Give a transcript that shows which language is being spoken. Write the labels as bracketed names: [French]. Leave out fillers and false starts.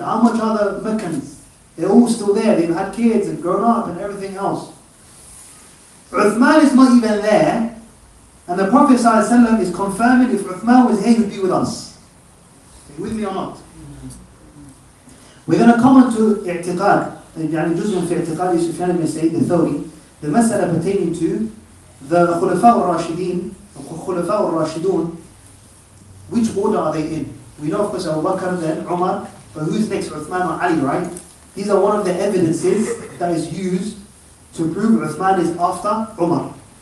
[English] How much are the Meccans? They're all still there. They've had kids and grown up and everything else. Uthman is not even there. And the Prophet ﷺ is confirming if Uthman was here, he'd be with us. Are you with me or not? We're going to come on to i'tiqad. [Arabic] يعني جزء في اعتقاد يوسف كان بن سعيد الثوري. [English] The مسألة pertaining to the خلفاء الراشدين. خلفاء الراشدون. Which order are they in? We know, of course, Abu Bakr then, Umar, but who's next, Uthman or Ali, right? These are one of the evidences that is used to prove Uthman is after Umar.